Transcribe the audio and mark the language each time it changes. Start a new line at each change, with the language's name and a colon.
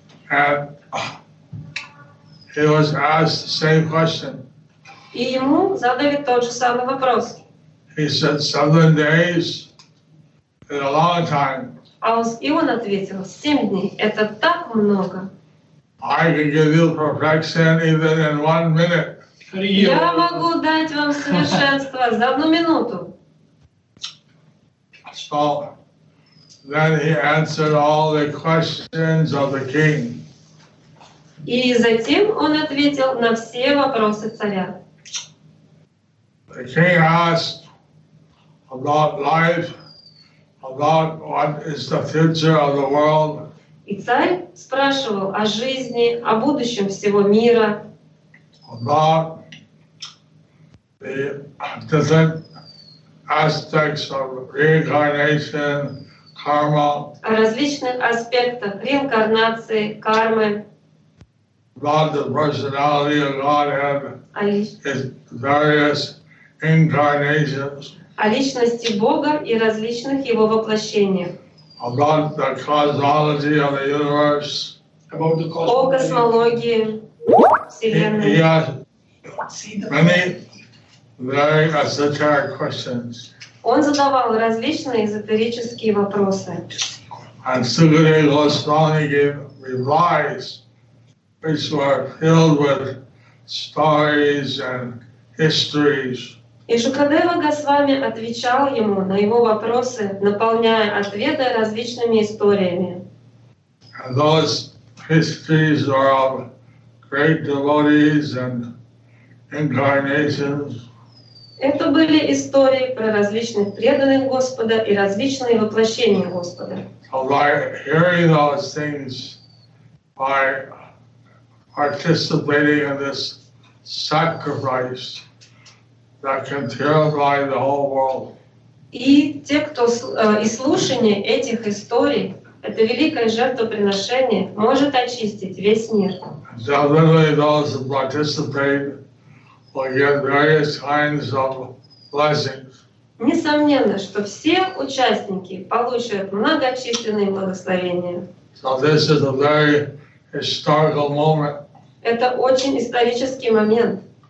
English: And he was asked the same question.
Russian: И ему задали тот же самый вопрос.
English: He said, 7 days is a long time.
Russian: И он ответил, 7 дней — это так много.
English: I can give you perfection even in 1 minute.
Russian: Я могу дать вам совершенство за 1 минуту.
English: So then he answered all the questions of the king.
Russian: И затем он ответил на все вопросы царя.
English: The king asked about life, about what is the future of the world.
Russian: И царь спрашивал о жизни, о будущем всего мира.
English: About the different aspects of reincarnation, karma.
Russian: О различных аспектах реинкарнации, кармы.
English: About the personality of Godhead, his various incarnations.
Russian: О личности Бога и различных его воплощениях.
English: About the cosmology of the universe. About the cosmology.
Russian: О космологии Вселенной.
English: He asked many very esoteric questions.
Russian: Он задавал различные эзотерические вопросы.
English: And Sukadeva Goswami gave replies which were filled with stories and histories.
Russian: И Шукадева Госвами отвечал ему на его вопросы, наполняя ответы различными историями.
English: And those histories are of great devotees and incarnations.
Russian: Это были истории про различных преданных Господа и различные воплощения Господа.
English: So by hearing those things, by participating in this sacrifice that can terrify the whole world.
Russian: И те, кто и слушание этих историй, это великое жертвоприношение, может очистить весь мир.
English: Definitely those who participate will get various kinds of blessings.
Russian: Несомненно, что все участники получат многочисленные благословения.
English: So this is a very historical moment.
Russian: Это очень исторический момент.